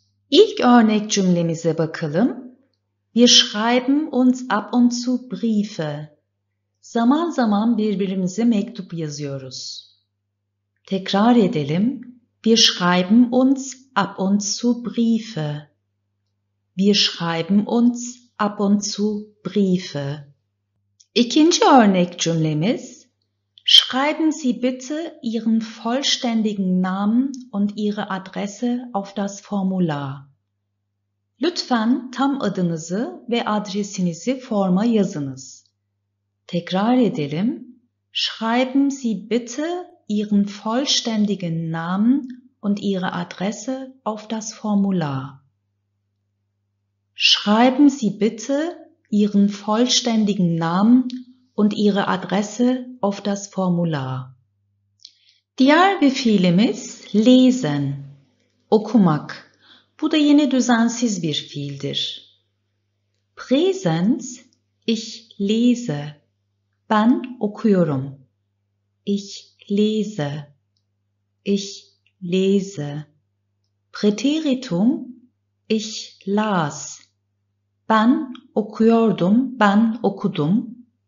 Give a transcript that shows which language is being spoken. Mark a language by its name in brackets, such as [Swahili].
[Turkish] İlk örnek cümlemize bakalım. [German] Wir schreiben uns ab und zu Briefe. [Turkish] Zaman zaman birbirimize mektup yazıyoruz. Tekrar edelim. [German] Wir schreiben uns ab und zu Briefe. Wir schreiben uns ab und zu Briefe. [Turkish] İkinci örnek cümlemiz. [German] Schreiben Sie bitte Ihren vollständigen Namen und Ihre Adresse auf das Formular. [Turkish] Lütfen tam adınızı ve adresinizi forma yazınız. Tekrar edelim. [German] Schreiben Sie bitte Ihren vollständigen Namen und Ihre Adresse auf das Formular. Schreiben Sie bitte Ihren vollständigen Namen und Ihre Adresse auf das Formular. [Turkish] Diğer bir fiilimiz lesen, okumak. Bu da yine düzensiz bir fiildir. [German] Präsens, ich lese. [Turkish] Ben okuyorum. [German] Ich lese. Ich lese. Präteritum, ich las. [Turkish] Ben okuyordum, ben okudum.